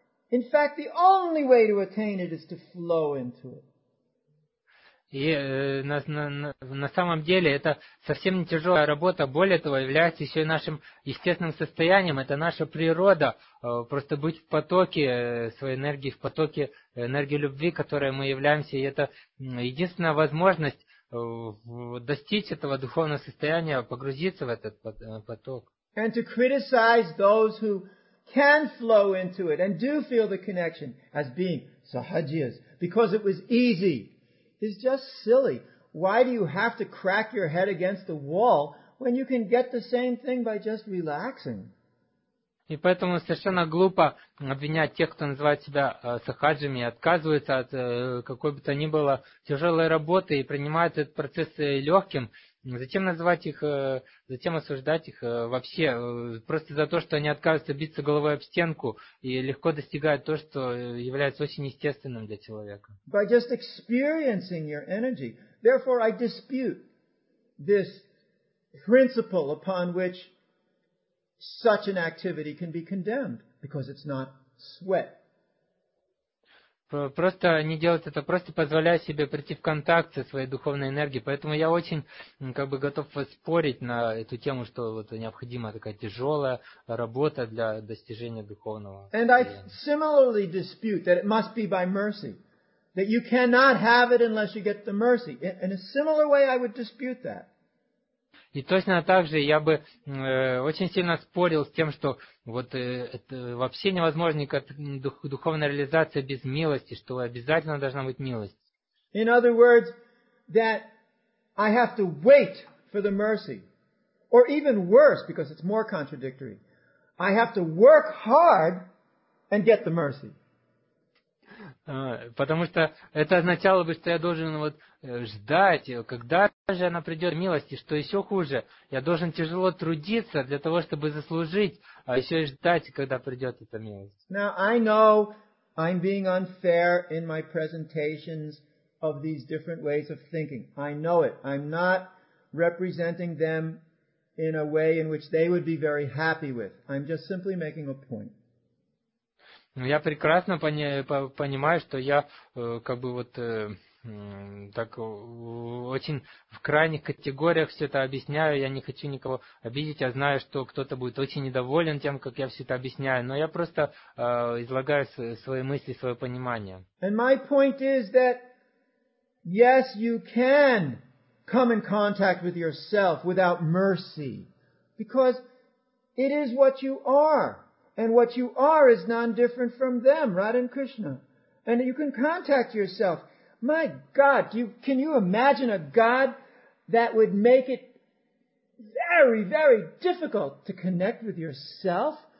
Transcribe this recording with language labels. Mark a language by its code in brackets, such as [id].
[en] In fact, the only way to attain it is to flow into it. [ru] И на самом деле это совсем не тяжелая работа, более того, является еще и нашим естественным состоянием, это наша природа, просто быть в потоке своей энергии, в потоке энергии любви, которой мы являемся, и это единственная возможность достичь этого духовного состояния, погрузиться в этот поток. [en] And to criticize those who can flow into it and do feel the connection as being sahajiyas, because it was easy. It's just silly. Why do you have to crack your head against the wall when you can get the same thing by just relaxing? [ru] И поэтому совершенно глупо обвинять тех, кто называет себя сахаджами, отказываются от какой бы то ни было тяжелой работы и принимают этот процесс легким. Зачем называть их, зачем осуждать их вообще? Просто за то, что они отказываются биться головой об стенку и легко достигают то, что является очень естественным для человека. [en] By just experiencing your energy. Therefore, I dispute this principle upon which such an activity can be condemned, because it's not sweat. [ru] просто не делать это, просто позволяя себе прийти в контакт со своей духовной энергией. Поэтому я очень как бы готов спорить на эту тему, что вот необходима такая тяжелая работа для достижения духовного. [en] And I similarly dispute that it must be by mercy, that you cannot have it unless you get the mercy. In a similar way, I would dispute that. [ru] И точно так же я бы очень сильно спорил с тем, что вот это вообще невозможно как духовная реализация без милости, что обязательно должна быть милость. [en] In other words, that I have to wait for the mercy. Or even worse, because it's more contradictory, I have to work hard and get the mercy. [ru] Потому что это означало бы, что я должен вот ждать, когда же она придет, милости, что еще хуже, я должен тяжело трудиться для того, чтобы заслужить, а еще и ждать, когда придет эта милость. [en] Now, I know I'm being unfair in my presentations of these different ways of thinking. I know it. I'm not representing them in a way in which they would be very happy with. I'm just simply making a point. [ru] Ну, я прекрасно понимаю, что я как бы вот так очень в крайних категориях все это объясняю. Я не хочу никого обидеть, я знаю, что кто-то будет очень недоволен тем, как я все это объясняю. Но я просто излагаю свои мысли, свое понимание. [en] And my point is that, yes, you can come in contact with yourself without mercy, because it is what you are. And what you are is non-different from them, Radha and Krishna. And you can contact yourself. My God, can you imagine a God that would make it very, very difficult to connect with yourself?